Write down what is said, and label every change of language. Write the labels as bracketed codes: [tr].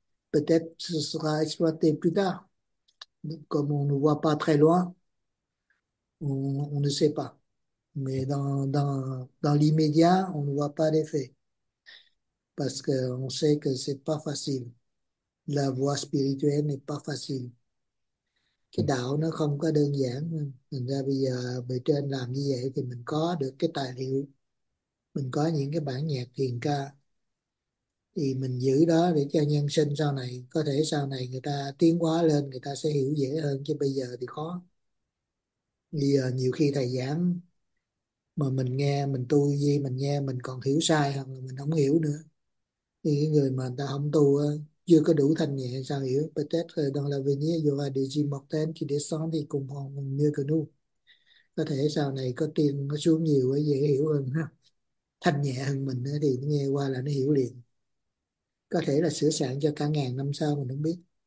[fr] Peut-être ce sera exploité plus tard. Donc, comme on ne voit pas très loin, on ne sait pas. Mais dans l'immédiat, on ne voit pas d'effet. Parce qu'on sait que c'est pas facile. La voie spirituelle n'est pas facile. [vi] Cái đạo nó không có đơn giản. Thành ra bây giờ bề trên làm như vậy thì mình có được cái tài liệu. Mình có những cái bản nhạc thiền ca. Thì mình giữ đó để cho nhân sinh sau này. Có thể sau này người ta tiến hóa lên, người ta sẽ hiểu dễ hơn. Chứ bây giờ thì khó. Bây giờ nhiều khi thầy giảng mà mình nghe, mình tu gì, mình nghe mình còn hiểu sai hoặc là mình không hiểu nữa. Thì cái người mà người ta không tu chưa có đủ thanh nhẹ sao hiểu. [fr] Peut-être dans l'avenir, il y aura des immortels qui descendent [vi] cùng [fr] mieux que nous. [vi] Có thể sau này có tiên nó xuống nhiều, dễ hiểu hơn. Thanh nhẹ hơn mình thì nghe qua là nó hiểu liền. Có thể là sửa soạn cho cả ngàn năm sau mình không biết.